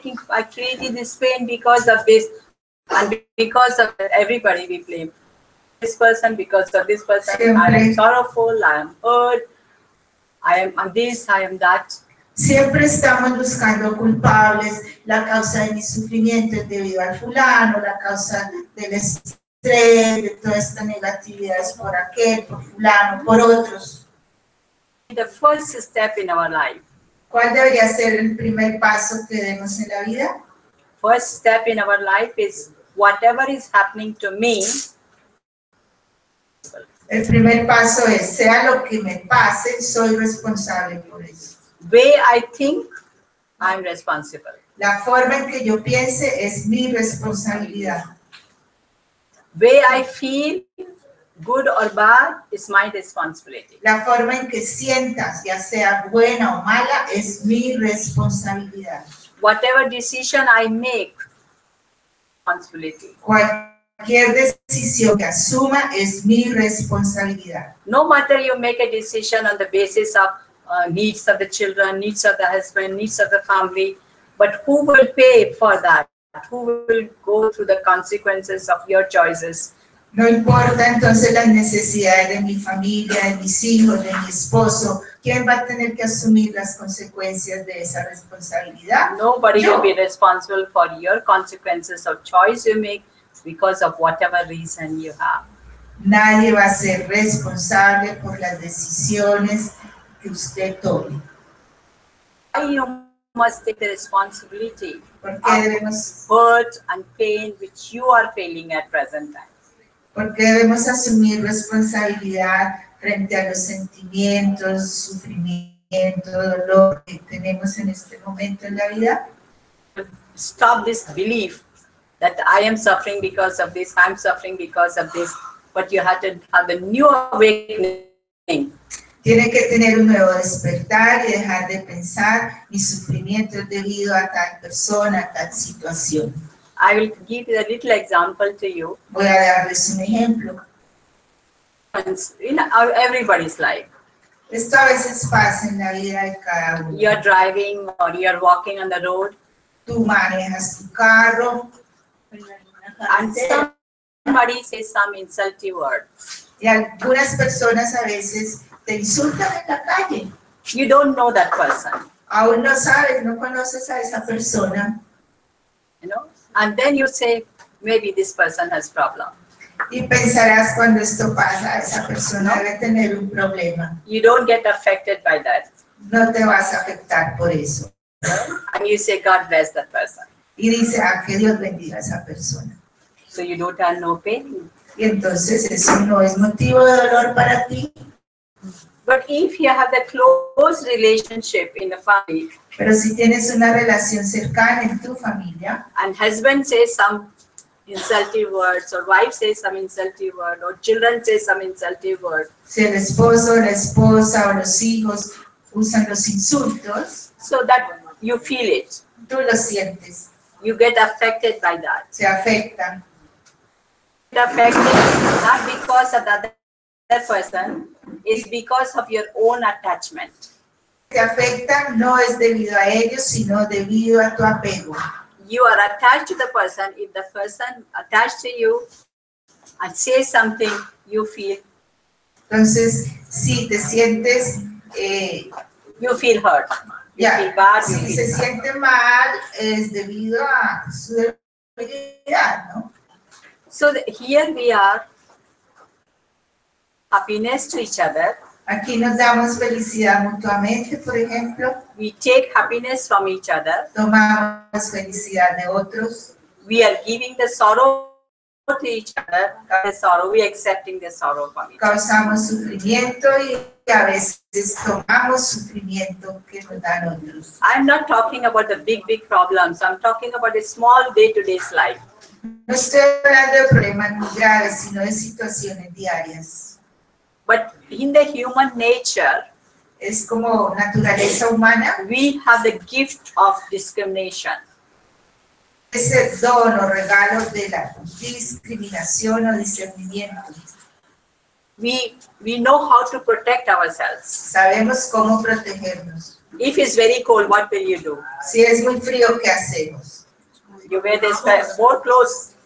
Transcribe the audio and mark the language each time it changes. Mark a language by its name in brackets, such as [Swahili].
[English] I created this pain because of this. And because of everybody we blame. This person, because of this person, [Spanish] siempre. [English] I am sorrowful, I am hurt, I am this, I am that. [Spanish] Siempre estamos buscando culpables, la causa de mi sufrimiento es debido al fulano, la causa del estrés, de toda esta negatividad es por aquel, por fulano, por otros. [English] The first step in our life. [Spanish] ¿Cuál debería ser el primer paso que demos en la vida? [English] First step in our life is whatever is happening to me. [Spanish] El primer paso es, sea lo que me pase, soy responsable por eso. [English] Way I think, I'm responsible. [Spanish] La forma en que yo piense es mi responsabilidad. [English] Way I feel, good or bad, is my responsibility. [Spanish] La forma en que sientas, ya sea buena o mala, es mi responsabilidad. [English] Whatever decision I make, responsibility. [Spanish] Cualquier decisión que asuma es mi responsabilidad. [English] No matter you make a decision on the basis of needs of the children, needs of the husband, needs of the family, but who will pay for that? Who will go through the consequences of your choices? [Spanish] No importa entonces las necesidades de mi familia, de mis hijos, de mi esposo. ¿Quién va a tener que asumir las consecuencias de esa responsabilidad? [English] Nobody will be responsible for your consequences of choice you make because of whatever reason you have. [Spanish] Nadie va a ser responsable por las decisiones que usted tome. [English] Why you must take the responsibility of hurt and pain which you are feeling at present time? [Spanish] Porque debemos asumir responsabilidad frente a los sentimientos, sufrimiento, dolor que tenemos en este momento en la vida. [English] Stop this belief that I am suffering because of this, I'm suffering because of this, but you have to have a new awakening. [Spanish] Tiene que tener un nuevo despertar y dejar de pensar mi sufrimiento es debido a tal persona, a tal situación. [English] I will give a little example to you. [Spanish] Voy a darles un ejemplo. [English] In our, everybody's life. [Spanish] Esto a veces pasa en la vida de cada uno. [English] You're driving or you're walking on the road. [Spanish] Tú manejas tu carro. [English] And somebody says some insulty word. [Spanish] Y algunas personas a veces te insultan en la calle. [English] You don't know that person. [Spanish] Aún no sabes, no conoces a esa persona. [English] You know? And then you say, maybe this person has problem. [Spanish] Y pensarás cuando esto pasa, esa persona debe tener un problema. [English] You don't get affected by that. [Spanish] No te vas a afectar por eso. [English] And you say, God bless that person. [Spanish] Y dice, ah, que Dios bendiga a esa persona. [English] So you don't have no pain. [Spanish] Y entonces eso no es motivo de dolor para ti. [English] But if you have a close relationship in the family, [Spanish] pero si tienes una relación cercana en tu familia, [English] and husband says some insulting words, or wife says some insulting word, or children say some insulting word, [Spanish] si el esposo, la esposa o los hijos usan los insultos, [English] so that you feel it, [Spanish] tú lo sientes, [English] you get affected by that, [Spanish] se afecta, [English] get affected not because of that. That person is because of your own attachment. [Spanish] Te afecta no es debido a ellos, sino debido a tu apego. [English] You are attached to the person. If the person attached to you and says something, you feel. [Spanish] Entonces, si te sientes, [English] you feel hurt. Yeah. You feel bad, [Spanish] si [English] you feel [Spanish] se [English] hurt. [Spanish] Siente mal, es debido a su debilidad, ¿no? [English] So here we are. Happiness to each other. [Spanish] Aquí nos damos felicidad mutuamente, por ejemplo. [English] We take happiness from each other. [Spanish] Tomamos felicidad de otros. [English] We are giving the sorrow to each other. The sorrow, we are accepting the sorrow from each other. [Spanish] Causamos sufrimiento y a veces tomamos sufrimiento que nos dan otros. [English] I'm not talking about the big problems. I'm talking about a small day-to-day life. [Spanish] No estoy hablando de problemas muy graves, sino de situaciones diarias. [English] But in the human nature, [Spanish] es como naturaleza humana, [English] we have the gift of discrimination. [Spanish] Es el don o regalo de la discriminación o discernimiento. [English] We know how to protect ourselves. [Spanish] Sabemos cómo protegernos. [English] If it's very cold, what will you do? [Spanish] Si es muy frío, ¿qué hacemos? [English] You wear this more clothes.